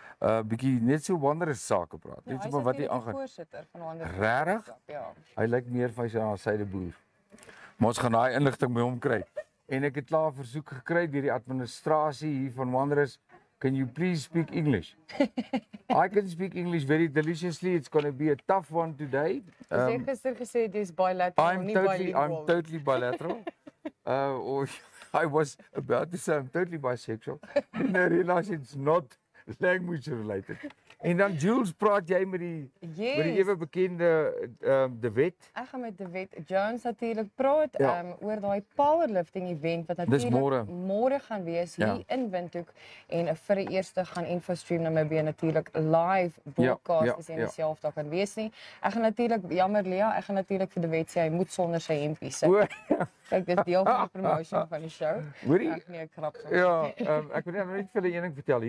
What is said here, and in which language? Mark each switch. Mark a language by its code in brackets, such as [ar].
[af] 'n bietjie net so Wanderers sake praat. Net oor wat hy aangaan. Regtig? Ja. Hy lyk meer vir sy syde boer. Maar ons gaan daai inligting by hom kry. En ek het klaar 'n versoek gekry deur die administrasie hier van Wanderers. [en] Can you please speak English? I can speak English very deliciously. It's going to be a tough one today. [af] Jy het gister gesê jy is bilateral, [en] I'm totally bilateral. I'm totally bilateral. I was about to say I'm totally bisexual. And I realized it's not language related. [af] En dan Jules praat jy met die [en] yes. [af] met die ewe bekende De Wet. Ek gaan met De Wet Jones natuurlik praat ja. Oor daai powerlifting event wat natuurlik môre gaan wees ja. Hier in Windhoek en vir die eerste gaan Info Stream Namibia natuurlik [en] live broadcast [af] as jy self daar kan wees nie. Ek gaan natuurlik jammer Lea, ek gaan natuurlik vir De Wet sê hy moet sonder sy hempie sit. Kyk, dis deel van die promotion van die show. Hoor jy? Nee, krap. Ja, ek wil net vir julle een ding vertel.